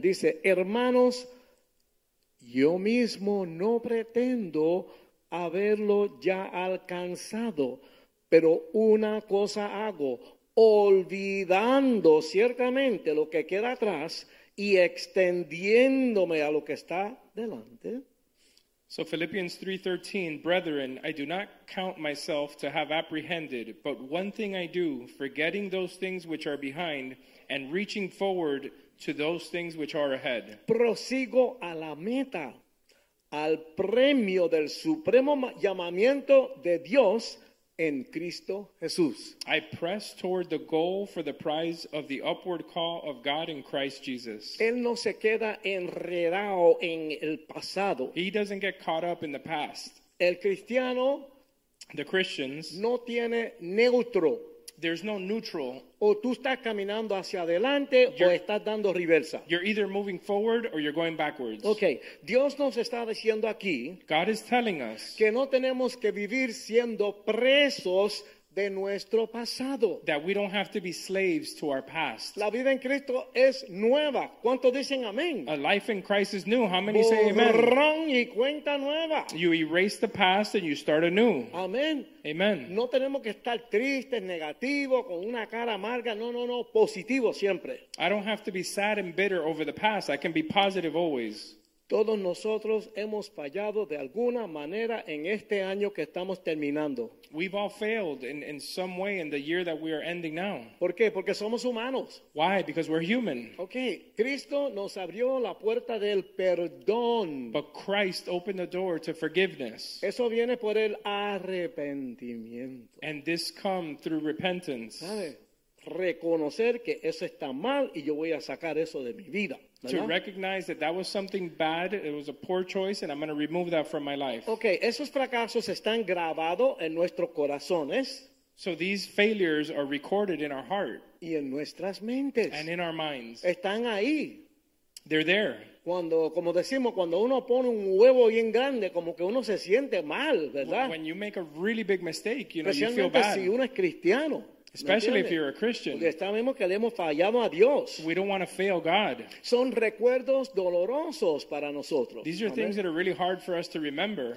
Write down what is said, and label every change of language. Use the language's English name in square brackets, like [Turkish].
[Spanish] Dice, hermanos, yo mismo no pretendo haberlo ya alcanzado, pero una cosa hago, olvidando ciertamente lo que queda atrás y extendiéndome a lo que está delante. [English] So Philippians 3:13, brethren, I do not count myself to have apprehended, but one thing I do, forgetting those things which are behind and reaching forward to those things which are ahead. [Spanish] Prosigo a la meta, al premio del supremo llamamiento de Dios en Cristo Jesús. [English] I press toward the goal for the prize of the upward call of God in Christ Jesus. [Spanish] Él no se queda enredado en el pasado. [English] He doesn't get caught up in the past. [Spanish] El cristiano, [English] the Christians, [Spanish] no tiene neutro. [English] There's no neutral. [Spanish] O tú estás caminando hacia adelante, o estás dando reversa. [English] You're either moving forward or you're going backwards. [Spanish] Okay. Dios nos está diciendo aquí, [English] God is telling us, [Spanish] que no tenemos que vivir siendo presos de nuestro pasado. [English] That we don't have to be slaves to our past. [Spanish] La vida en Cristo es nueva. ¿Cuántos dicen amén? [English] A life in Christ is new. How many say amen? [Spanish] Borrón y cuenta nueva. [English] You erase the past and you start anew. [Spanish] Amén. [English] Amen. [Spanish] No tenemos que estar tristes, negativos, con una cara amarga. No, no, no. Positivo siempre. [English] I don't have to be sad and bitter over the past. I can be positive always. [Spanish] Todos nosotros hemos fallado de alguna manera en este año que estamos terminando. [English] We've all failed in some way in the year that we are ending now. [Spanish] ¿Por qué? Porque somos humanos. [English] Why? Because we're human. [Spanish] Okay, Cristo nos abrió la puerta del perdón. [English] But Christ opened the door to forgiveness. [Spanish] Eso viene por el arrepentimiento. [English] And this comes through repentance. [Spanish] ¿Sabe? Reconocer que eso está mal y yo voy a sacar eso de mi vida. [English] To recognize that that was something bad, it was a poor choice, and I'm going to remove that from my life. [Spanish] Okay, esos fracasos están grabados en nuestros corazones. [English] So these failures are recorded in our heart. [Spanish] Y en nuestras mentes. [English] And in our minds. [Spanish] Están ahí. [English] They're there. [Spanish] Cuando, como decimos, cuando uno pone un huevo bien grande, como que uno se siente mal, ¿verdad? [English] When you make a really big mistake, you know, you feel bad. [Spanish] Especialmente si uno es cristiano. [English] Especially if you're a Christian. [Spanish] Que le hemos fallado a Dios. [English] We don't want to fail God. [Spanish] Son recuerdos dolorosos para nosotros. [English] These are things that are really hard for us to remember.